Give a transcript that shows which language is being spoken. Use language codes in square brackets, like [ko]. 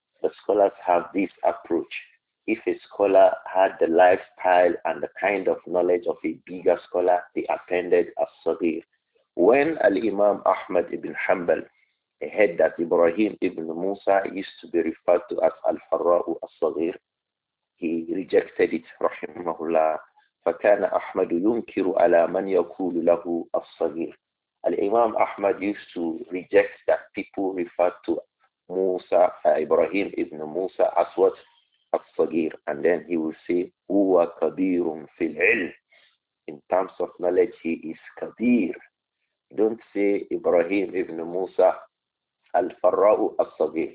[en] The scholars have this approach. If a scholar had the lifestyle and the kind of knowledge of a bigger scholar, they attended al-Saghir. When Al-Imam Ahmad ibn Hanbal heard that Ibrahim ibn Musa used to be referred to as al-Farra'u al-Saghir, he rejected it, rahimahullah. [ar] فَكَانَ أَحْمَدُ يُنْكِرُ عَلَى مَنْ يَكُولُ لَهُ al-Saghir. [en] Al-Imam Ahmad used to reject that people referred to Musa, Ibrahim ibn Musa as what? Al-Saghir, and then he will say, [ar] huwa kabirun fil ilm. [en] In terms of knowledge, he is kabir. Don't say Ibrahim ibn Musa al-Farra'u al-Saghir.